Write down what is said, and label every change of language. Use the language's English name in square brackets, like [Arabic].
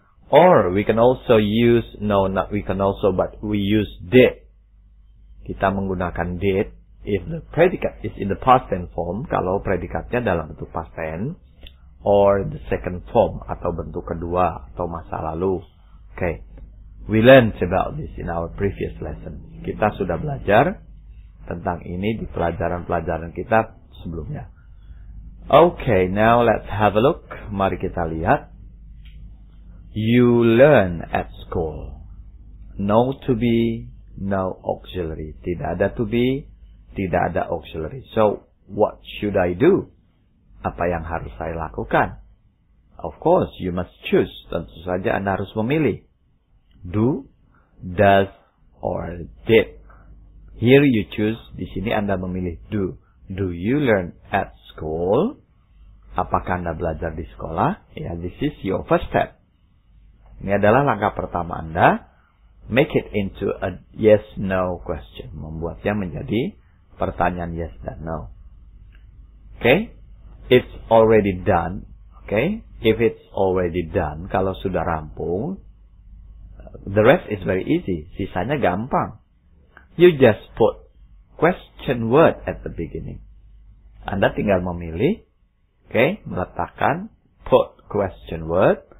[English] Or we can also use, no, not we can also, but we use did. [Indonesian] Kita menggunakan did [English] if the predicate is in the past tense form, [Indonesian] kalau predikatnya dalam bentuk past tense, [English] or the second form, [Indonesian] atau bentuk kedua, atau masa lalu. Okay. [English] We learned about this in our previous lesson. [Indonesian] Kita sudah belajar tentang ini di pelajaran-pelajaran kita sebelumnya. [English] Okay, now let's have a look. [Indonesian] Mari kita lihat. [English] You learn at school. No to be, no auxiliary. [Indonesian] Tidak ada to be, tidak ada auxiliary. [English] So, what should I do? [Indonesian] Apa yang harus saya lakukan? [English] Of course, you must choose. [Indonesian] Tentu saja Anda harus memilih. [English] Do, does, or did. Here you choose, [Indonesian] di sini Anda memilih [English] do. Do you learn at school? [Indonesian] Apakah Anda belajar di sekolah? [English] Yeah, this is your first step. [Indonesian] Ini adalah langkah pertama Anda. [English] Make it into a yes-no question. [Indonesian] Membuatnya menjadi pertanyaan yes dan no. [English] Okay? It's already done. Okay? If it's already done, [Indonesian] kalau sudah rampung, [English] the rest is very easy. [Indonesian] Sisanya gampang. [English] You just put question word at the beginning. [Indonesian] Anda tinggal memilih. Okay? Meletakkan put question word.